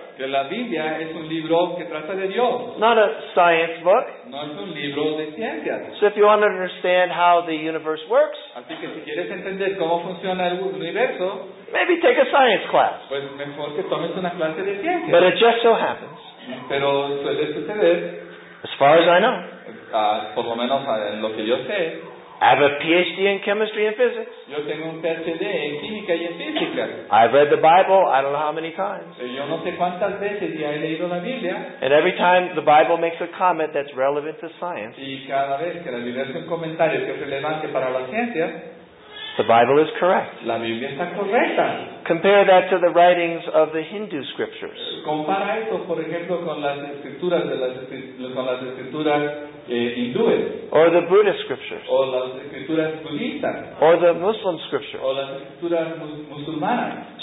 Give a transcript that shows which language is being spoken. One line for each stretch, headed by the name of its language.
Spanish: Que la Biblia es un libro que trata de Dios.
English: Not a science book.
Spanish: No es un libro de ciencias.
English: So if you want to understand how the universe works,
Spanish: así que si quieres entender cómo funciona el universo,
English: maybe take a science class.
Spanish: Pues mejor que tomes una clase de ciencias.
English: But it just so happens.
Spanish: Pero suele suceder.
English: As far as I know.
Spanish: Por lo menos en lo que yo sé.
English: I have a PhD in chemistry and physics.
Spanish: Yo tengo un PhD en química y en física.
English: I've read the Bible, I don't know how many times.
Spanish: Yo no sé cuántas veces ya he leído la Biblia.
English: And every time the Bible makes a comment that's relevant to science,
Spanish: y cada vez que la Biblia hace un comentario que es relevante para la ciencia,
English: the Bible is correct.
Spanish: La Biblia está correcta.
English: Compare that to the writings of the Hindu scriptures.
Spanish: Compara esto, por ejemplo, con las escrituras de las escrituras hindúes.
English: Or the Buddhist scriptures.
Spanish: O las escrituras budistas.
English: Or the Muslim scriptures.
Spanish: O las escrituras musulmanas.